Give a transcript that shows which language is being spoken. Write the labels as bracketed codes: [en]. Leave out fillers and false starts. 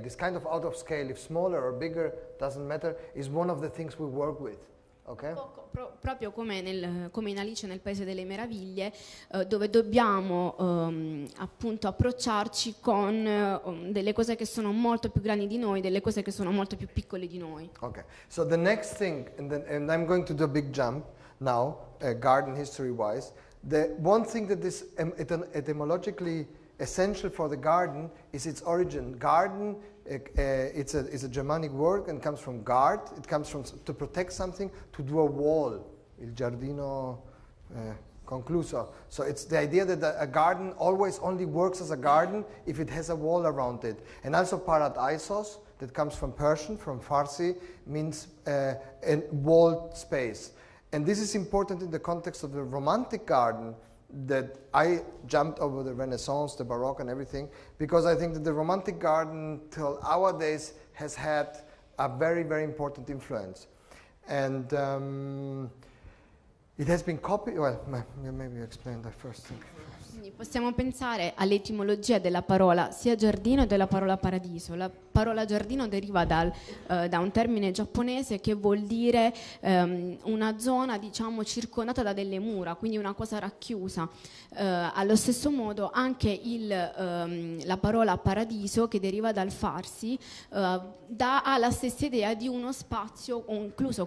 [en] This kind of out of scale, if smaller or bigger, doesn't matter, is one of the things we work with. Okay. [it] Proprio come in Alice nel Paese delle Meraviglie, dove dobbiamo appunto approcciarci con delle cose che sono molto più grandi di noi, delle cose che sono molto più piccole di noi. [en] Okay. So the next thing, and I'm going to do a big jump now, garden history wise. The one thing that is etymologically essential for the garden is its origin. Garden. It's a Germanic word and comes from guard. It comes from to protect something, to do a wall. [it] Il giardino concluso. [en] So it's the idea that a garden always only works as a garden if it has a wall around it. And also paradisos, that comes from Persian, from Farsi, means a walled space. And this is important in the context of the Romantic garden, that I jumped over the Renaissance, the Baroque and everything, because I think that the Romantic garden till our days has had a very, very important influence. And it has been copied, well, maybe you explain that first thing. [it] Possiamo pensare all'etimologia della parola sia giardino della parola paradiso. La parola giardino deriva da un termine giapponese che vuol dire una zona, diciamo, circondata da delle mura, quindi una cosa racchiusa. Allo stesso modo anche la parola paradiso, che deriva dal farsi, ha la stessa idea di uno spazio incluso.